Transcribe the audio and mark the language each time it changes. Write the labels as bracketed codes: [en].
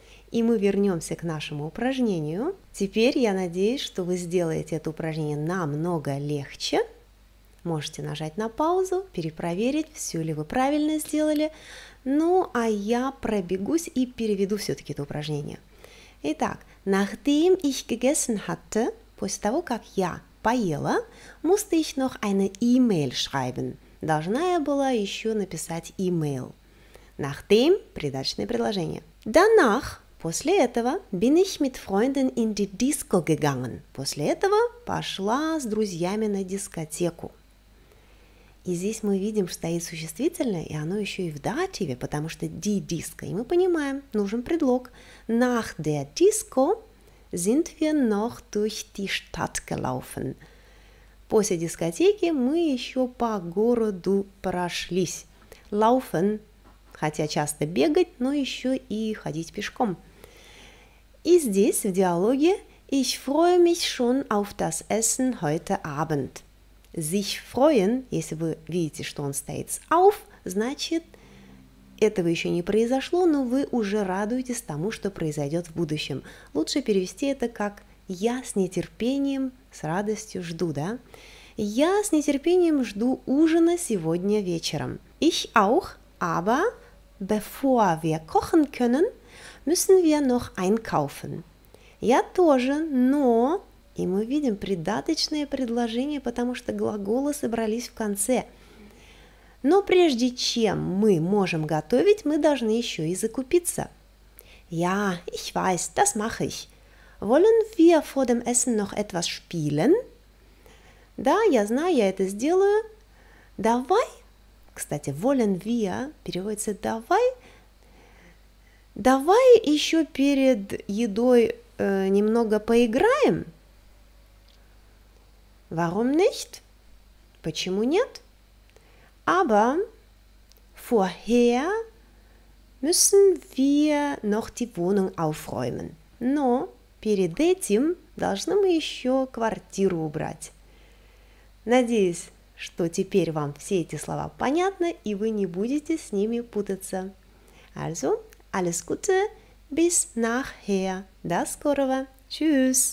[ru] И мы вернемся к нашему упражнению. Теперь я надеюсь, что вы сделаете это упражнение намного легче. Можете нажать на паузу, перепроверить, все ли вы правильно сделали. Ну, а я пробегусь и переведу все-таки это упражнение. [de] Итак, nachdem ich gegessen hatte, [ru] после того, как я поела, [de] musste ich noch eine E-Mail schreiben. [ru] Должна я была еще написать email. Nachdem – придаточное предложение. [de] Danach – [ru] после этого [de] – bin ich mit Freunden in die Disco gegangen. [ru] После этого пошла с друзьями на дискотеку. И здесь мы видим, что стоит существительное, и оно еще и в дативе, потому что die Disco. И мы понимаем, нужен предлог. [de] Nach der Disco sind wir noch durch die Stadt gelaufen. [ru] После дискотеки мы еще по городу прошлись. Laufen, хотя часто бегать, но еще и ходить пешком. И здесь в диалоге [de] «Ich freue mich schon auf das Essen heute Abend». [ru] «Sich freuen», если вы видите, что он стоит с «auf», значит, этого еще не произошло, но вы уже радуетесь тому, что произойдет в будущем. Лучше перевести это как «я с нетерпением», с радостью жду, да? Я с нетерпением жду ужина сегодня вечером. [de] Ich auch, aber bevor wir kochen können, müssen wir noch einkaufen. [ru] Я тоже, но... И мы видим придаточное предложение, потому что глаголы собрались в конце. Но прежде чем мы можем готовить, мы должны еще и закупиться. [de] Ja, ich weiß, das mache ich. Wollen wir vor dem Essen noch etwas spielen? [ru] Да, я знаю, я это сделаю. Давай. Кстати, wollen wir переводится давай. Давай еще перед едой немного поиграем. [de] Warum nicht? [ru] Почему нет? [de] Aber vorher müssen wir noch die Wohnung aufräumen. [ru] Но перед этим должны мы еще квартиру убрать. Надеюсь, что теперь вам все эти слова понятны, и вы не будете с ними путаться. [de] Also, alles Gute, bis nachher. [ru] До скорого. [de] Tschüss.